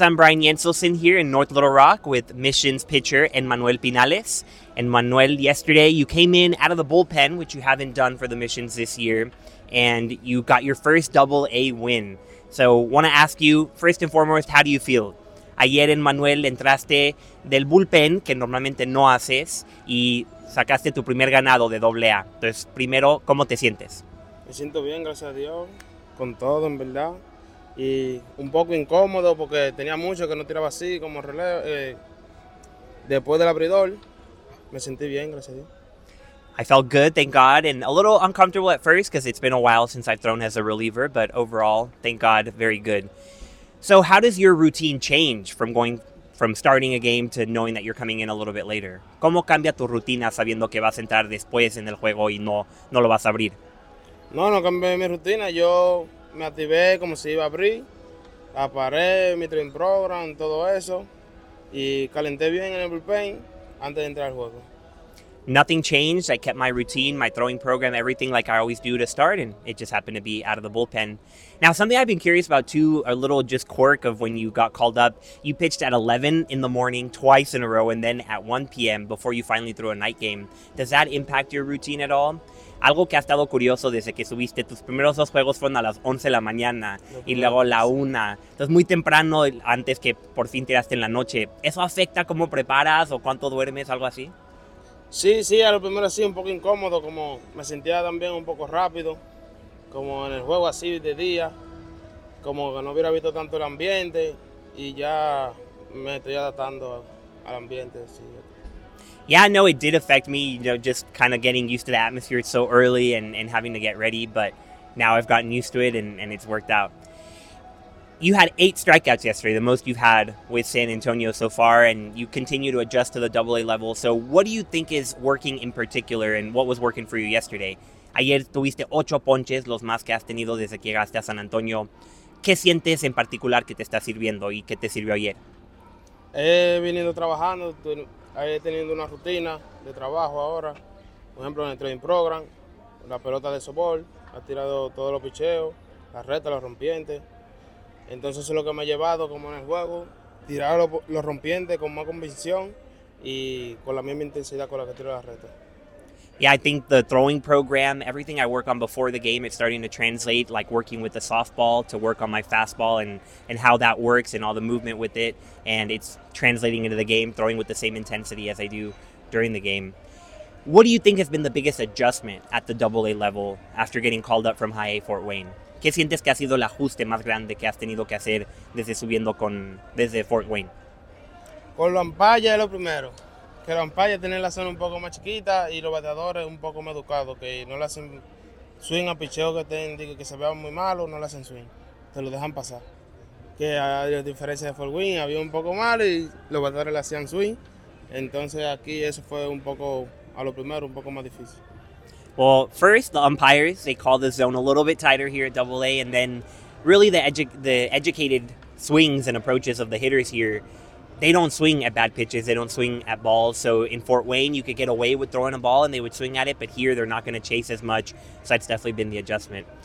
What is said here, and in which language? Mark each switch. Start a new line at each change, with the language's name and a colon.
English: I'm Brian Yenselson here in North Little Rock with Missions pitcher Emmanuel Pinales. And Manuel, yesterday you came in out of the bullpen, which you haven't done for the Missions this year, and you got your first double A win. So I want to ask you, first and foremost, how do you feel?
Spanish: Ayer, Emmanuel, entraste del bullpen, que normalmente no haces, y sacaste tu primer ganado de doble A. Entonces, primero, ¿cómo te sientes? Me siento bien, gracias a Dios, con todo, en verdad. Y un poco incómodo porque tenía mucho que no tiraba así como relevo. Después del abridor, me sentí bien, gracias a Dios.
English: I felt good, thank God, and a little uncomfortable at first because it's been a while since I've thrown as a reliever, but overall, thank God, very good. So how does your routine change from going from starting a game to knowing that you're coming in a little bit later?
Spanish: ¿Cómo cambia tu rutina sabiendo que vas a entrar después en el juego y no lo vas a abrir? No cambié mi rutina. Yo me activé como si iba a abrir. Aparé mi
English: training program,
Spanish: todo eso. Y calenté bien en el bullpen antes de entrar al juego.
English: Nothing changed. I kept my routine, my throwing program, everything like I always do to start, and it just happened to be out of the bullpen. Now, something I've been curious about too, a little just quirk of when you got called up. You pitched at 11 in the morning twice in a row and then at 1 p.m. before you finally threw a night game. Does that impact your routine at all?
Spanish: Algo que ha estado curioso desde que subiste, tus primeros dos juegos fueron a las 11 de la mañana y luego la 1. Entonces, muy temprano, antes que por fin tiraste en la noche. ¿Eso afecta cómo preparas o cuánto duermes, algo así? Sí, a lo primero sí, un poco incómodo, como me sentía también un poco rápido, como en el juego así de día, como que no hubiera visto tanto el ambiente y ya me estoy adaptando al ambiente. Sí.
English: Yeah, no, it did affect me, you know, just kind of getting used to the atmosphere so early and having to get ready, but now I've gotten used to it and it's worked out. You had 8 strikeouts yesterday, the most you've had with San Antonio so far, and you continue to adjust to the double-A level. So what do you think is working in particular, and what was working for you yesterday?
Spanish: Ayer tuviste 8 ponches, los más que has tenido desde que llegaste a San Antonio. ¿Qué sientes en particular que te está sirviendo y qué te sirvió ayer? He venido trabajando, he tenido una rutina de trabajo ahora. Por ejemplo, en el
English: training program,
Spanish: la pelota de softball, ha tirado todos los picheos, las retas, los rompientes. Entonces eso es lo que me ha llevado como en el juego, tirar los rompientes con más convicción y con la misma intensidad con la que tiro las retas.
English: Yeah, I think the throwing program, everything I work on before the game, it's starting to translate, like working with the softball to work on my fastball and how that works and all the movement with it. And it's translating into the game, throwing with the same intensity as I do during the game. What do you think has been the biggest adjustment at the double-A level after getting called up from High A Fort Wayne?
Spanish: ¿Qué sientes que ha sido el ajuste más grande que has tenido que hacer desde Fort Wayne? Con la umpire es lo primero. Que la umpire tiene la zona un poco más chiquita y los bateadores un poco más educados. Que no le hacen swing a picheo que se vean muy malos, no le hacen swing. Te lo dejan pasar. Que a diferencia de Fort Wayne había un poco malo y los bateadores le hacían swing. Entonces aquí eso fue un poco, a lo primero, un poco más difícil.
English: Well, first, the umpires, they call the zone a little bit tighter here at Double-A, and then really the educated swings and approaches of the hitters here, they don't swing at bad pitches, they don't swing at balls. So in Fort Wayne, you could get away with throwing a ball and they would swing at it, but here they're not going to chase as much, so that's definitely been the adjustment.